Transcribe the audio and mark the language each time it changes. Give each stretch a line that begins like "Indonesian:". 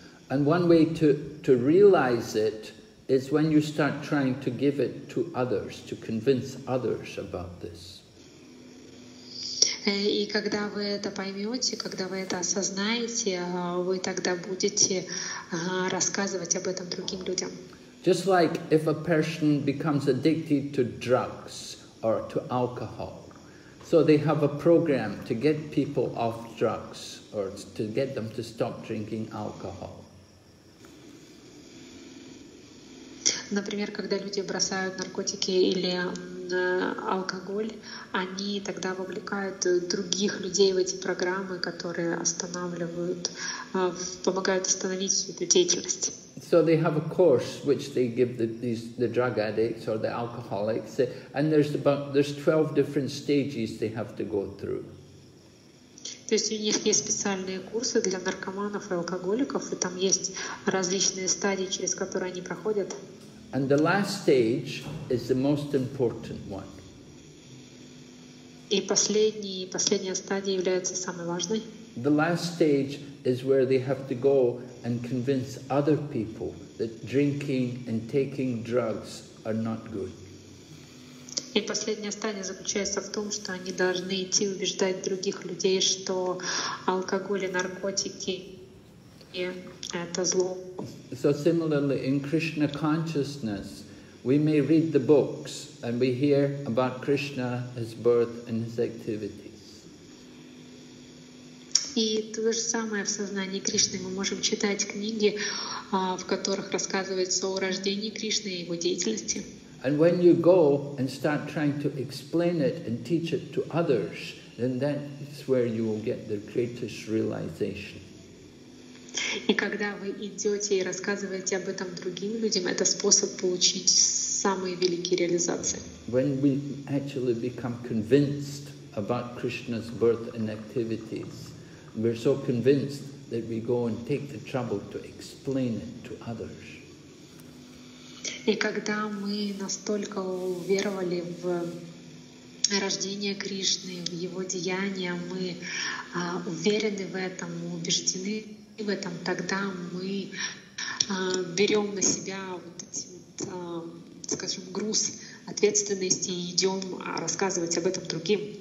English: And one way to realize it is when you start trying to give it to others, to convince others about this.
Russian: И когда вы это поймете, когда вы это осознаете, вы тогда будете рассказывать об этом другим людям.
English: Just like if a person becomes addicted to drugs or to alcohol. So they have a program to get people off drugs or to get them to stop drinking alcohol.
Russian: Например, когда люди бросают наркотики или алкоголь, они тогда вовлекают других людей в эти программы, которые останавливают, помогают остановить эту деятельность.
English: So they have a course which they give the drug addicts or the alcoholics, and there's 12 different stages they have to go through.
Russian: То есть у них есть специальные курсы для наркоманов и алкоголиков, и там есть различные стадии, через которые они проходят.
English: And the last stage is the most important one.
Russian: И последняя стадия является самой важной.
English: The last stage is where they have to go and convince other people that drinking and taking drugs are not good.
Russian: И последняя стадия заключается в том, что они должны идти убеждать других людей, что алкоголь и наркотики — это зло.
English: So similarly, in Krishna consciousness, we may read the books and we hear about Krishna, his birth and his activities.
Russian: И то же самое в сознании Кришны. Мы можем читать книги, в которых рассказывается о рождении Кришны и его деятельности.
English: And when you go and start trying to explain it and teach it to others, then that's where you will get the greatest realization.
Russian: И когда вы идете и рассказываете об этом другим людям, это способ получить самые великие реализации.
English: When we actually become convinced about Krishna's birth and activities, we're so convinced that we go and take the trouble to explain it to others.
Russian: И когда мы настолько уверовали в рождение Кришны, в его деяния, мы уверены в этом, убеждены в этом, тогда мы берем на себя вот этот, скажем, груз ответственности и идем рассказывать об этом другим.